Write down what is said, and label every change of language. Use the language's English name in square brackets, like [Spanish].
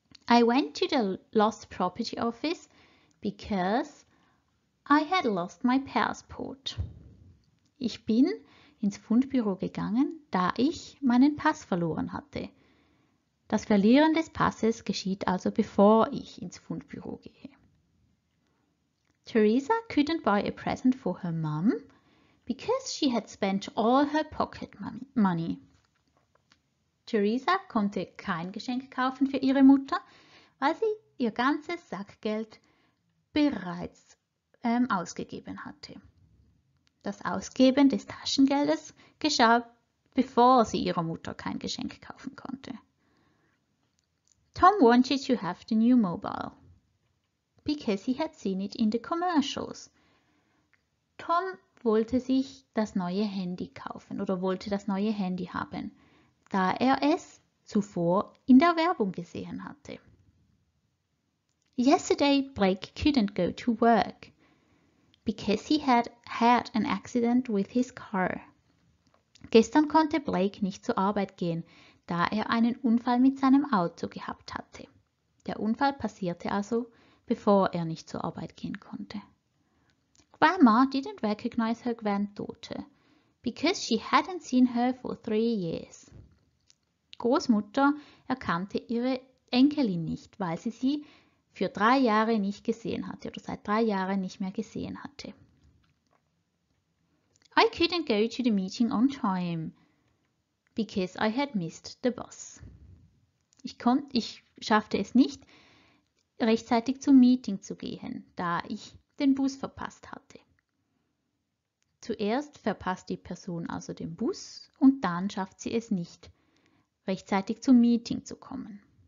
[English] I went to the lost property office because I had lost my passport. [German] Ich bin ins Fundbüro gegangen, da ich meinen Pass verloren hatte. Das Verlieren des Passes geschieht also, bevor ich ins Fundbüro gehe. [English] Theresa couldn't buy a present for her mom because she had spent all her pocket money. [German] Theresa konnte kein Geschenk kaufen für ihre Mutter, weil sie ihr ganzes Sackgeld bereits ausgegeben hatte. Das Ausgeben des Taschengeldes geschah, bevor sie ihrer Mutter kein Geschenk kaufen konnte. [English] Tom wanted to have the new mobile, because he had seen it in the commercials. [German] Tom wollte sich das neue Handy kaufen oder wollte das neue Handy haben, da er es zuvor in der Werbung gesehen hatte. [English] Yesterday, Blake couldn't go to work, because he had had an accident with his car. [German] Gestern konnte Blake nicht zur Arbeit gehen, da er einen Unfall mit seinem Auto gehabt hatte. Der Unfall passierte also, bevor er nicht zur Arbeit gehen konnte. [English] Grandma didn't recognize her granddaughter, because she hadn't seen her for 3 years. [German] Großmutter erkannte ihre Enkelin nicht, weil sie sie für 3 Jahre nicht gesehen hatte oder seit 3 Jahren nicht mehr gesehen hatte. [English] I couldn't go to the meeting on time, because I had missed the bus. [German] Ich schaffte es nicht, rechtzeitig zum Meeting zu gehen, da ich den Bus verpasst hatte. Zuerst verpasst die Person also den Bus und dann schafft sie es nicht, rechtzeitig zum Meeting zu kommen.